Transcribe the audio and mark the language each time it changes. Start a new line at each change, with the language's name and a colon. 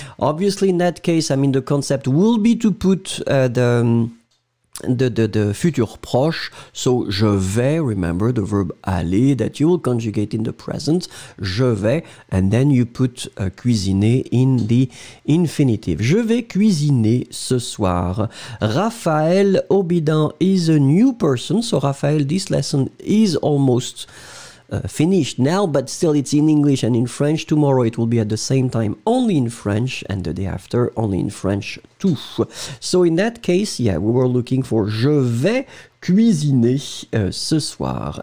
English: Obviously, in that case, I mean, the concept will be to put the future proche, so je vais, remember the verb aller that you will conjugate in the present, je vais, and then you put cuisiner in the infinitive.
French: Je vais cuisiner ce soir.
English: Raphaël Obidan is a new person, so Raphaël, this lesson is almost finished now, but still it's in English and in French. Tomorrow it will be at the same time only in French, and the day after only in French too. So in that case, yeah, we were looking for
French: je vais cuisiner ce soir.